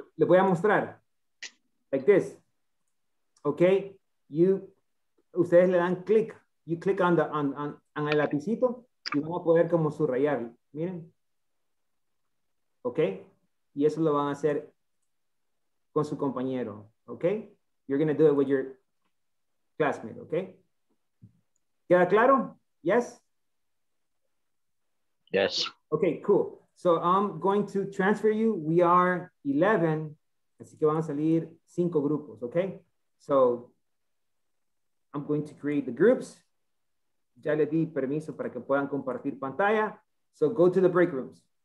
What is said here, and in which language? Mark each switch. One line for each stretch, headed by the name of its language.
Spanish: Les voy a mostrar.
English: Like this.
Spanish: ¿Ok? Ustedes le dan click.
English: You click on
Spanish: el lapicito y van a poder como subrayar. Miren. ¿Ok? Y eso lo van a hacer con su compañero.
English: Okay, you're gonna do it with your classmate.
Spanish: Okay, ¿queda claro? Yes.
English: Yes. Okay, cool. So I'm going to transfer you. We are 11,
Spanish: así que van a salir 5 grupos.
English: Okay, so I'm going to create the groups.
Spanish: Ya le di permiso para que puedan compartir pantalla.
English: So go to the break rooms.